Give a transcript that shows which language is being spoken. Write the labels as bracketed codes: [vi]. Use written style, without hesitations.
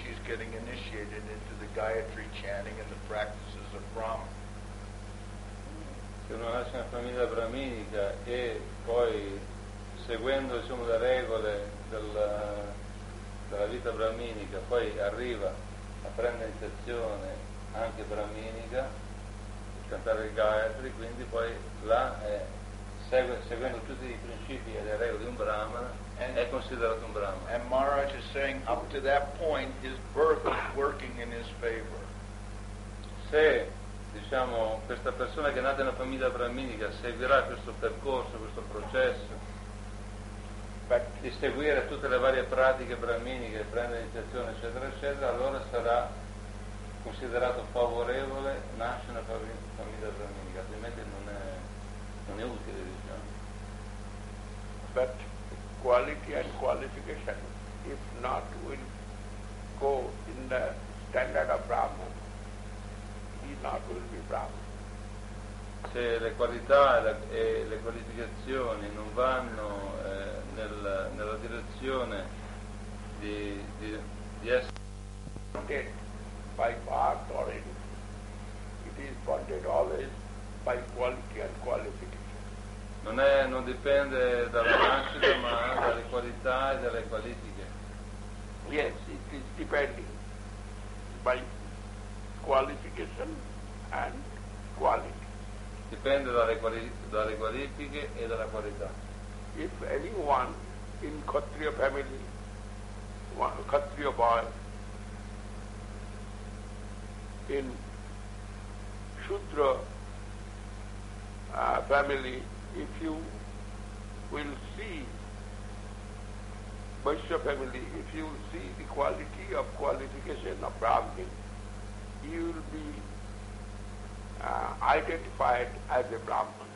[en] He's getting initiated into the Gayatri chanting and the practices of Brahman. [it] Se uno nasce in una famiglia brahminica e poi seguendo insomma, le regole della vita brahminica poi arriva a prendere iniziazione anche brahminica, cantare il Gayatri, quindi poi là seguendo tutti i principi e le regole di un brahmana è considerato un brahmana. [en] And Maharaj is saying up to that point his birth is working in his favor. [it] Se diciamo questa persona che è nata in una famiglia brahminica seguirà questo percorso, questo processo di seguire tutte le varie pratiche brahminiche, prendere iniziazione eccetera eccetera, allora sarà considerato favorevole, nasce una famiglia brahminica, altrimenti non è utile, diciamo. [en] But quality and qualification, if not, will go in the standard of Brahman. Not will be Brahman. [it] Se le qualità e le qualificazioni non vanno nella direzione di essere [en] bonded by path or anything, it is bonded always by quality and qualification. [it] Non dipende dalla nascita ma dalle qualità e dalle qualifiche. [en] Yes, it is depending by qualification and quality. [it] Dipende dalle qualifiche e dalla qualità. [en] If anyone in Kshatriya family, Kshatriya boy, in Shudra family, if you will see Vaishya family, if you will see the quality of qualification of Brahmin, you will be identified as a Brahman.